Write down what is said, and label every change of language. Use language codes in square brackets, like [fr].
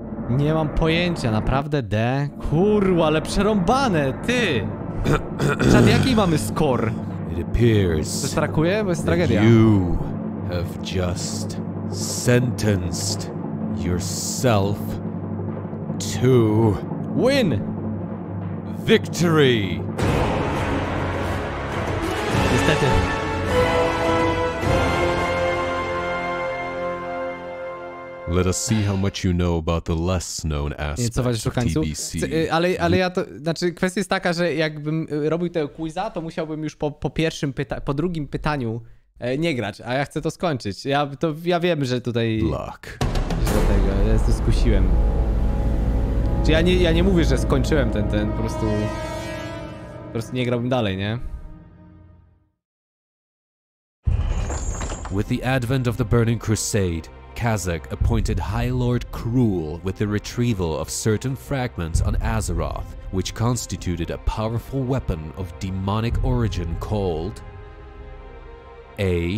[pl] Nie mam pojęcia, naprawdę D? Kurwa, ale przerąbane, ty! Czad, jaki mamy score? Coś trakuje? Bo jest tragedia. [en] You have just sentenced yourself to... Win! Victory! [pl] Niestety. [en] Let us see how much you know about the less known aspects of TBC. [pl] Ale ja to, znaczy kwestia jest taka, że jakbym robił tego quiza, to musiałbym już po drugim pytaniu nie grać, a ja chcę to skończyć. Ja wiem, że tutaj... [en] Luck. [pl] Dlatego, ja to skusiłem. Czyli ja nie mówię, że skończyłem ten, po prostu nie grałbym dalej, nie? [en] With the advent of the Burning Crusade, Kazakh appointed High Lord Krul with the retrieval of certain fragments on Azeroth, which constituted a powerful weapon of demonic origin called A.